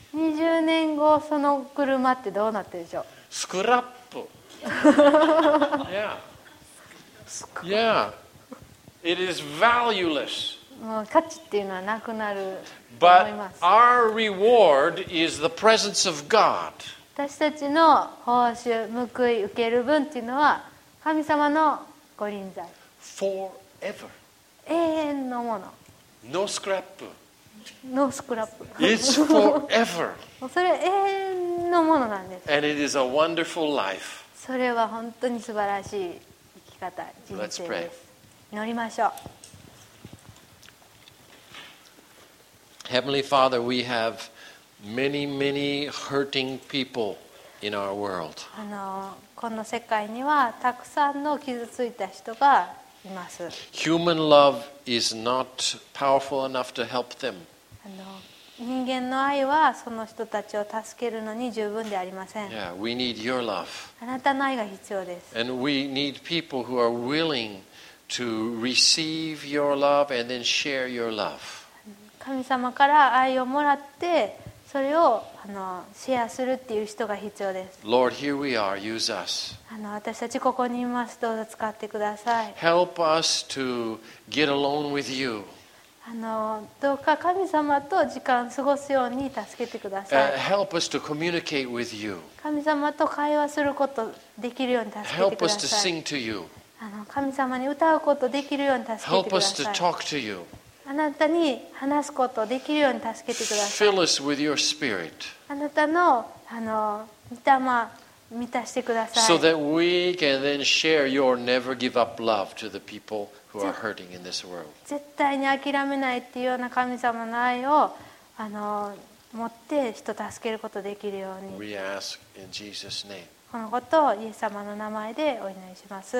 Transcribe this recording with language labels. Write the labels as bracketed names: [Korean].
[Japanese] 20年後その車ってどうなってるでしょう？スクラップ。Yeah. Yeah. [English] It is valueless. [Japanese] もう価値っていうのはなくなると思います。 [English] But our reward is the presence of God. [Japanese] 私たちの報酬、報い、受ける分というのは神様のご臨在。 [English] Forever. [Japanese] 永遠のもの。 [English] No scrap. No scrap. It's forever. [Japanese] それは永遠のものなんです。 [English] And it is a wonderful life. [Japanese] それは本当に素晴らしい生き方、人生です。 [English] Let's pray. [Japanese] 祈りましょう。 [English] Heavenly Father, we have many, many hurting people in our world. [Japanese] この世界にはたくさんの傷ついた人がいます。 [English] Human love is not powerful enough to help them. [Japanese] 人間の愛はその人たちを助けるのに十分でありません。 [English] Yeah, we need your love. [Japanese] あなたの愛が必要です。 [English] And we need people who are willing to receive your love and then share your love. [Japanese] 神様から愛をもらってそれをシェアするっていう人が必要です。 [English] Lord, here we are. Use us. [Japanese] 私たちここにいます。どうぞ使ってください。 [English] Help us to get alone with you. [Japanese] どうか神様と時間を過ごすように助けてください。 [English] Help us to communicate with you. [Japanese] 神様と会話することできるように助けてください。 [English] Help us to sing to you. [Japanese] 神様に歌うことできるように助けてください。 [English] Help us to talk to you. [Japanese] あなたに話すことをできるように助けてください。 [English] Fill us with your spirit. [Japanese] あなたの御霊を満たしてください。 [English] So that we can then share your never give up love to the people who are hurting in this world. [Japanese] 絶対に諦めないっていうような神様の愛を持って人を助けることができるように。 [English] We ask in Jesus' name. [Japanese] このことをイエス様の名前でお祈りします。